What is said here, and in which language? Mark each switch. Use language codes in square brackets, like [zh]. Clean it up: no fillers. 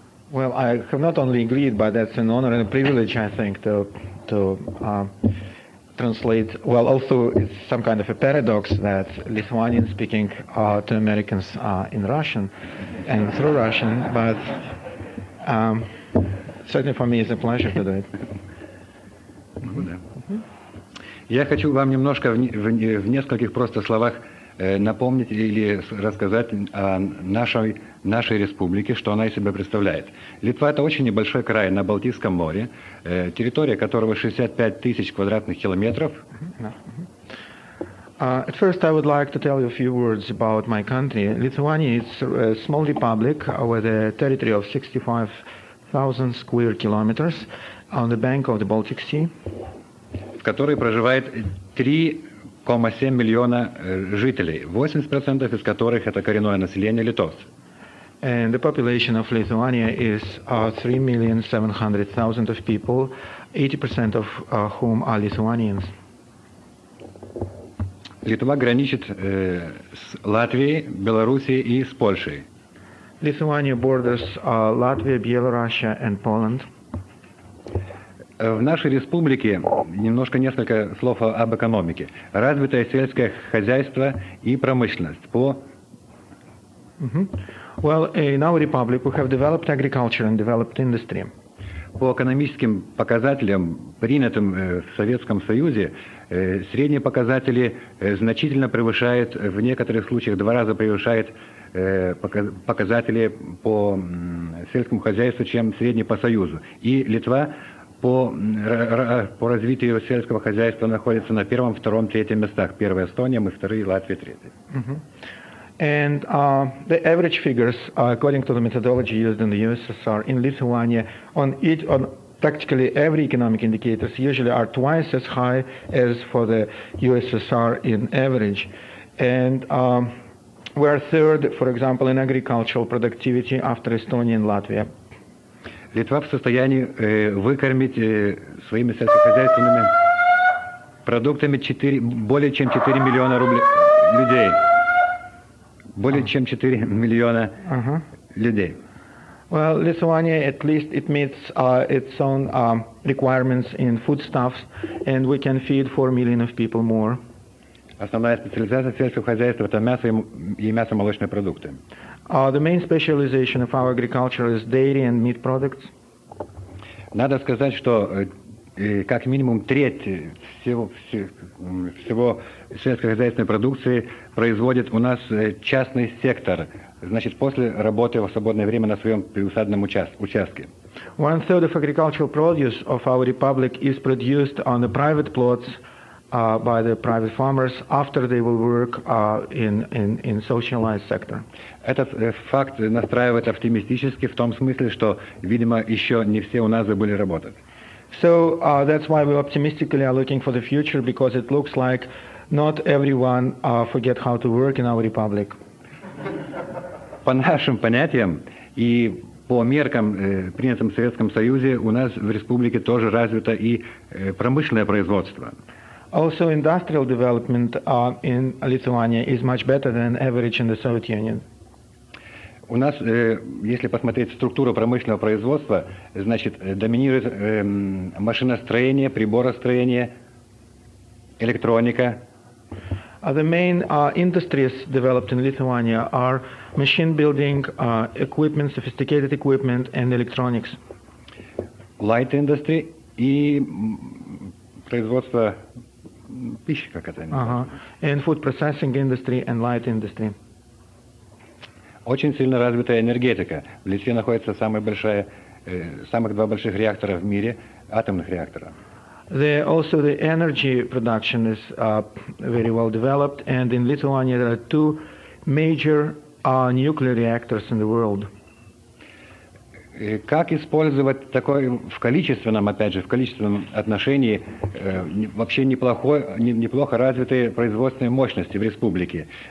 [en] Well, I have not only agreed, but that's an honor and a privilege, I think, to translate. Well, also, it's some kind of a paradox that Lithuanians speaking to Americans in Russian and through Russian, but certainly for me it's a pleasure to do it. [ru] Я хочу вам немножко в нескольких просто словах напомнить или рассказать о нашей республике, что она из себя представляет. Литва – это очень небольшой край на Балтийском море, территория которого 65 тысяч квадратных километров. [en] At first, I would like to tell you a few words about my country. Lithuania is a small republic with a territory of 65,000 square kilometers on the bank of the Baltic Sea. [ru] В которой проживает 3,7 миллиона жителей, 80% из которых это коренное население литовцев. [en] And the population of Lithuania is 3,700,000 of people, 80% of whom are Lithuanians. [ru] Литва граничит с Латвией, Белоруссией и с Польшей. [en] Lithuania borders Latvia, Belarus and Poland. [ru] В нашей республике немножко несколько слов об экономике. Развитое сельское хозяйство и промышленность по. [en] Well, in our republic we have developed agriculture and developed industry. [ru] По экономическим показателям, принятым в Советском Союзе, средние показатели значительно превышают, в некоторых случаях два раза превышают показатели по сельскому хозяйству, чем средний по Союзу. И Литва по развитию сельского хозяйства находится на первом, втором, третьем местах. Первая Эстония, мы вторые, Латвия третья. [en] And the average figures, according to the methodology used in the USSR, in Lithuania, on practically every economic indicators usually are twice as high as for the USSR in average. And we are third, for example, in agricultural productivity after Estonia and Latvia. [ru] Литва в состоянии выкормить своими сельскохозяйственными продуктами более чем 4 миллиона рублей людей. Более чем 4 миллиона людей. [en] Well, Lithuania, at least it meets its own requirements in foodstuffs, and we can feed 4 million of people more. [ru] Основная специализация сельского хозяйства – это мясо и мясо-молочные продукты. [en] The main specialization of our agriculture is dairy and meat products. [ru] Надо сказать, что как минимум треть всего сельскохозяйственной продукции производит у нас частный сектор, значит, после работы в свободное время на своем приусадном участке. [en] One third of agricultural produce of our republic is produced on the private plots by the private farmers after they will work in socialized sector. [ru] Этот факт настраивает оптимистически в том смысле, что, видимо, еще не все у нас забыли работать. [en] So that's why we optimistically are looking for the future, because it looks like not everyone forget how to work in our republic. [ru] По нашим понятиям и по меркам, принятым в Советском Союзе, у нас в республике тоже развито и промышленное производство. [en] Also, industrial development in Lithuania is much better than average in the Soviet Union. [ru] У нас, если посмотреть структуру промышленного производства, значит, доминирует машиностроение, приборостроение, электроника. [en] The main industries developed in Lithuania are machine building, equipment, sophisticated equipment and electronics. Light industry [ru] и производство пищи, как это называется. [en] And food processing industry and light industry. [ru] Очень сильно развитая энергетика. В Литве находится самых два больших реактора в мире, атомных реактора. [en] Also the energy production is very well developed, and in Lithuania there are two major nuclear reactors in the world. [ru] Как использовать такое в количественном, опять же, в количественном отношении вообще неплохо развитые производственные мощности в республике?